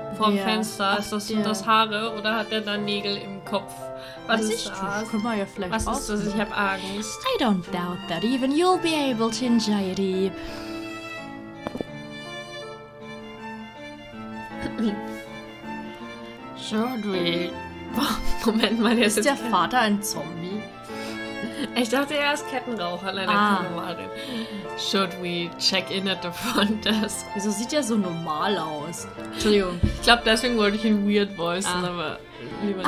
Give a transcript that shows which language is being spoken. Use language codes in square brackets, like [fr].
[de] Vom Fenster, ist das Haare oder hat der da Nägel im Kopf? Was ist das? Ich hab Angst. [en] I don't doubt that even you'll be able to enjoy it, Eve. Should we? [de] Moment mal, jetzt ist der Vater ein Zombie? Ich dachte, er ist Kettenraucher, leider keine Marin. [en] Should we check in at the front desk? [de] Wieso sieht er so normal aus? Entschuldigung. Ich glaube, deswegen wollte ich ihn weird voicen, aber lieber nicht.